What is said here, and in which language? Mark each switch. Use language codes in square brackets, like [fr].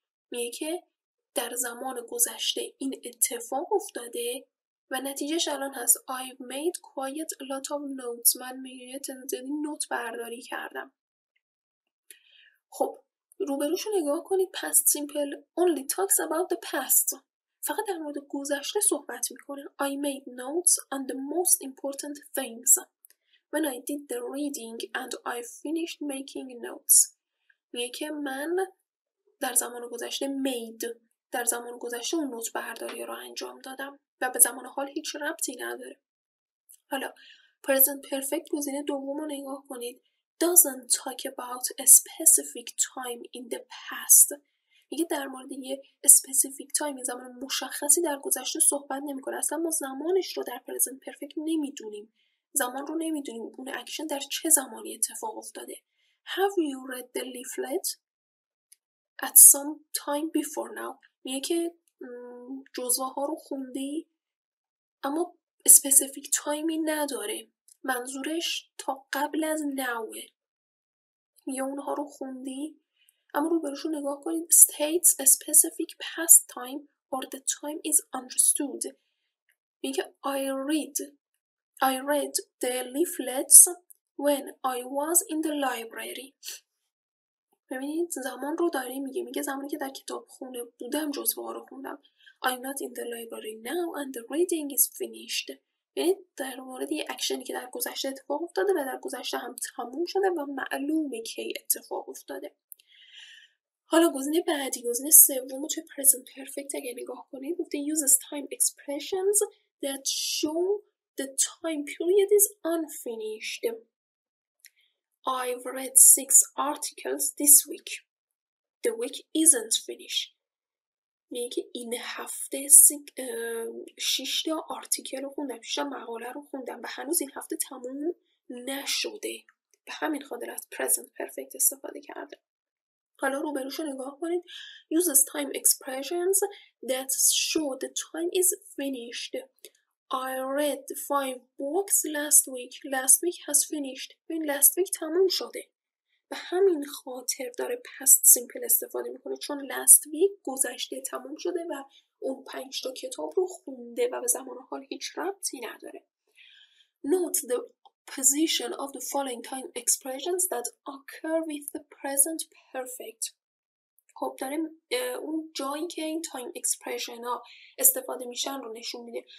[fa] میگه که در زمان گذشته این اتفاق افتاده و نتیجهش الان هست. [en] I've made quite a lot of notes. [fa] من میگه تعدادی نوت برداری کردم. خب روبروشو نگاه کنید. [en] Past simple only talks about the past. [fa] فقط در مورد گذشته صحبت میکنه. [en] I made notes on the most important things. When I did the reading and I finished making notes. [fa] میگه که من در زمان گذشته در زمان گذشته اون نوت برداری رو انجام دادم و به زمان حال هیچ ربطی نداره. حالا present perfect گزینه دوم رو نگاه کنید. [en] Doesn't talk about a specific time in the past. [fa] میگه در مورد یه specific time، زمان مشخصی در گذشته صحبت نمی کنه. اصلا ما زمانش رو در present perfect نمی دونیم. زمان رو نمی دونیم. اون اکشن در چه زمانی اتفاق افتاده. [en] Have you read the leaflet at some time before now؟ [fa] میگه که جزوه ها رو خوندی اما [en] specific time [fa] نداره. منظورش تا قبل از now. میگه اونها رو خوندی؟ اما رو بروشو نگاه کنید. [en] States a specific past time or the time is understood. [fa] میگه [en] I read the leaflets when I was in the library. [fa] ببینید زمان رو داره میگه. میگه زمانی که در کتاب خونه بودم جزوه ها رو خوندم. [en] I'm not in the library now and the reading is finished. [fa] یعنی در مورد یه اکشنی که در گذشته اتفاق افتاده و در گذشته هم تموم شده و معلومه کی اتفاق افتاده. حالا گزینه بعدی، گزینه سوم توی present perfect اگه نگاه کنید، گفته [en] uses time expressions that show the time period is unfinished. I've read 6 articles this week. The week isn't finished. [fa] میگه این هفته 6 تا آرتیکل رو خوندم، 6 تا مقاله رو خوندم و هنوز این هفته تموم نشده. به همین خاطر از present perfect استفاده کرده. حالا روبروشو نگاه کنید. [en] Uses time expressions that show the time is finished. I read 5 books last week. Last week has finished. [fa] این [en] last week [fa] تموم شده. به همین خاطر داره past simple استفاده میکنه، چون last week گذشته تموم شده و اون 5 تا کتاب رو خونده و به زمان حال هیچ ربطی نداره. [en] Note the position of the following time expressions that occur with the present perfect. [fa] خب داره اون جایی که این time expression ها استفاده میشن رو نشون میده.